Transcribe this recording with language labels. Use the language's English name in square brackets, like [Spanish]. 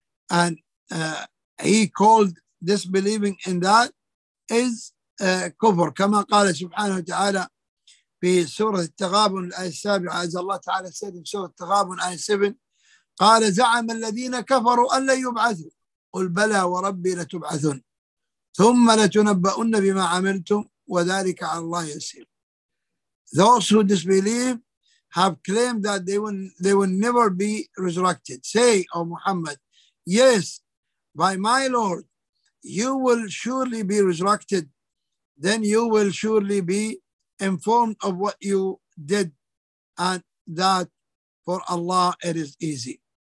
[English] And he called disbelieving in that is kufr. [Arabic] كما قال سبحانه وتعالى في سورة التغابن الآية السابعة, عز الله تعالى سيد في سورة التغابن آية 7, قال زعم الذين كفروا أن لن يبعثوا قل بلى وربي لتبعثن ثم لتنبؤن بما عملتم وذلك على الله يسير. [English] Those who disbelieve have claimed that they will never be resurrected. Say, O Muhammad, yes, by my Lord, you will surely be resurrected. Then you will surely be informed of what you did, and that for Allah it is easy.